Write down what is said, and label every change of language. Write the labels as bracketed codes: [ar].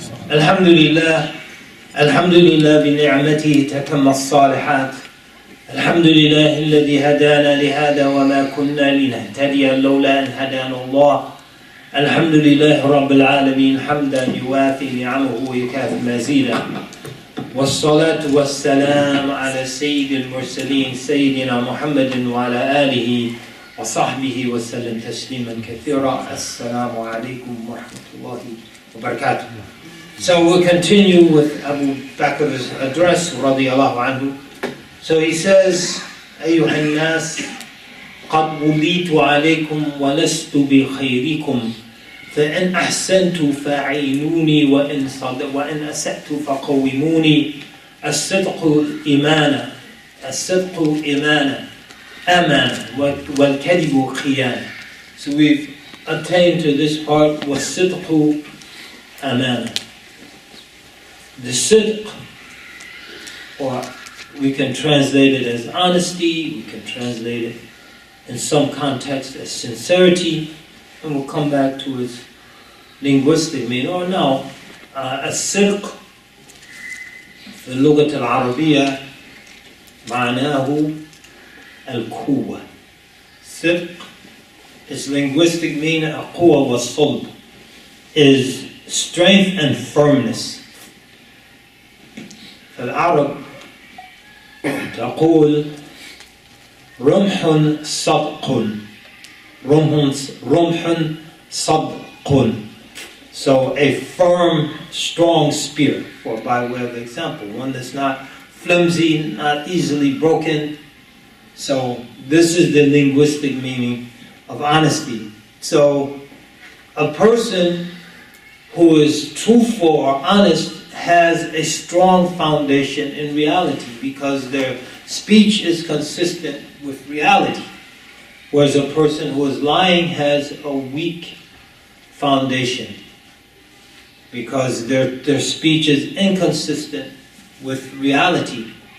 [ar] الحمد لله الحمد لله بنعمته تتم الصالحات الحمد لله الذي هدانا لهذا وما كنا لنهتدي لولا أن هدانا الله الحمد لله رب العالمين حمدا يوافي نعمه ويكافي مزيدا والصلاة والسلام على سيد المرسلين سيدنا محمد وعلى آله وصحبه وسلم تسليما كثيرا السلام عليكم ورحمة الله وبركاته. [en] So we'll continue with Abu Bakr's address [ar] رضي الله عنه. [en] So he says, [ar] أيها الناس قد وليت عليكم ولست بخيركم فإن أحسنت فعينوني وإن أسأت فقوموني الصدق إمانة الصدق إمانة أمانة والكذب خيانة. [en] So we've attained to this part [ar] والصدق أمانة. [en] The صدق, or we can translate it as honesty, we can translate it in some context as sincerity, and we'll come back to its linguistic meaning. Or no, [ar] as-sidq fi lughat al-arabiyya ma'nahu al-quwwa. [en] Sidq is linguistic meaning [ar] al-quwwa was-sulb, [en] is strength and firmness. [ar] Al-arab taqul رمحٌ صدقٌ رمحٌ صدقٌ. [en] So a firm, strong spear, for by way of example, one that's not flimsy, not easily broken. So this is the linguistic meaning of honesty. So a person who is truthful or honest has a strong foundation in reality because their speech is consistent with reality, whereas a person who is lying has a weak foundation because their speech is inconsistent with reality.